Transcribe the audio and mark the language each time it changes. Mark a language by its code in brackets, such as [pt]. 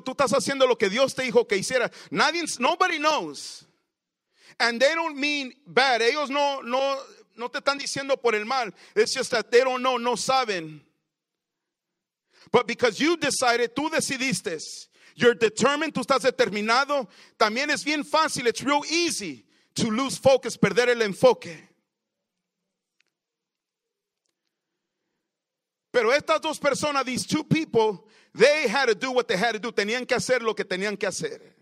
[es] Tú estás haciendo lo que Dios te dijo que hiciera. [en] Nobody knows. And they don't mean bad. [es] Ellos no te están diciendo por el mal. [en] It's just that they don't know, [es] no saben. [en] But because you decided, [es] tú decidiste. [en] You're determined, [es] tú estás determinado. También es bien fácil, [en] it's real easy to lose focus, [es] perder el enfoque. Pero estas dos personas, [en] these two people, they had to do what they had to do. [es] Tenían que hacer lo que tenían que hacer.